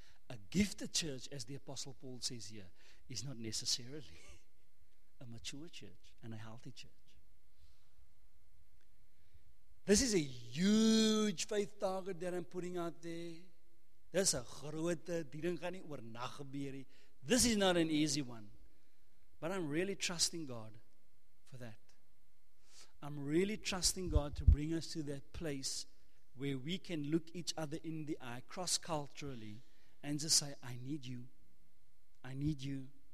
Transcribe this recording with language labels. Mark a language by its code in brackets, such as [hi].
[en] A gifted church, as the Apostle Paul says here, is not necessarily a mature church and a healthy church. This is a huge faith target that I'm putting out there. [af] Dis 'n groot, dit gaan nie oornag gebeur nie. [en] This is not an easy one. But I'm really trusting God for that. I'm really trusting God to bring us to that place where we can look each other in the eye, cross-culturally, and just say, I need you. I need you.